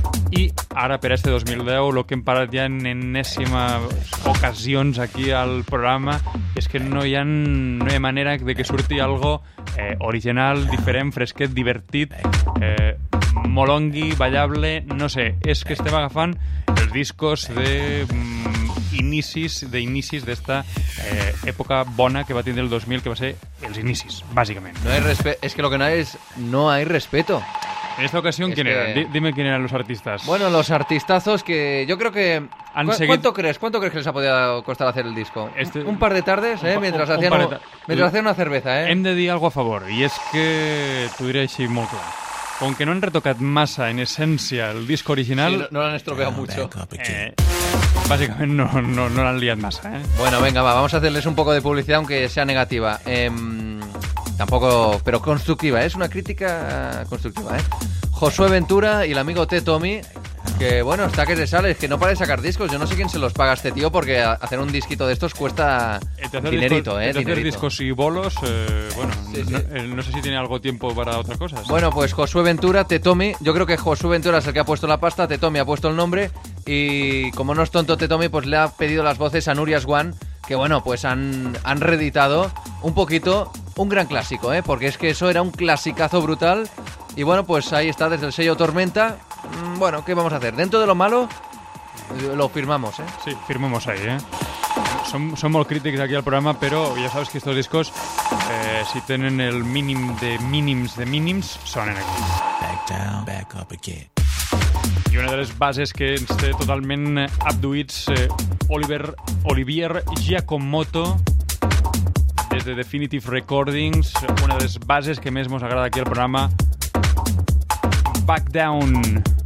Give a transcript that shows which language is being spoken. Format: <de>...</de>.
<ca>I ara, per este 2010, lo que hem parat ja en enèsima ocasions aquí al programa és que no hi ha manera de que surti algo original, diferent, fresquet, divertit, molongui, ballable, no sé. És que estem agafant els discos de inicis d'esta època bona que va tindre el 2000, que va ser els inicis, bàsicament.</ca> <es>No hay es que lo que no hay es no hay respeto. En esta ocasión, ¿quién era? Dime quién eran los artistas. Bueno, los artistazos que yo creo que... ¿Cuánto crees que les ha podido costar hacer el disco? Un par de tardes, mientras hacían una cerveza, ¿eh?</es> <ca>Hem de dir algo a favor,</ca> <es>y es que</es> <ca>t'ho diré així molt clar. Com que no han retocat massa, en essència, el disc original... Sí, no l'han estropeat mucho. Bàsicament no l'han liat massa, ¿eh?</ca> <es>Bueno, venga, va, vamos a hacerles un poco de publicidad, aunque sea negativa. Tampoco, pero constructiva, es una crítica constructiva, ¿eh? Josué Ventura y el amigo T. Tommy, que bueno, está que se sale, es que no para de sacar discos. Yo no sé quién se los paga a este tío, porque hacer un disquito de estos cuesta dinerito, discos, ¿eh? Hacer discos y bolos, no sé si tiene algo tiempo para otras cosas. Bueno, pues Josué Ventura, T. Tommy, yo creo que Josué Ventura es el que ha puesto la pasta, T. Tommy ha puesto el nombre, y como no es tonto T. Tommy, pues le ha pedido las voces a Nuria Swan, que bueno, pues han reeditado un poquito un gran clásico, ¿eh? Porque es que eso era un clasicazo brutal. Y bueno, pues ahí está, desde el sello Tormenta. Bueno, ¿qué vamos a hacer? Dentro de lo malo, lo firmamos, ¿eh? Sí, firmamos ahí, ¿eh? Son muy críticos aquí al programa, pero ya sabes que estos discos, si tienen el mínimo</es> <ca>de mínims de mínims, sonen aquí.</ca> <en>Back down, back up again.</en> <ca>I una de les bases que ens té totalment abduïts, Olivier Giacomoto, des de Definitive Recordings, una de les bases que més ens agrada aquí al programa, Back Down.</ca>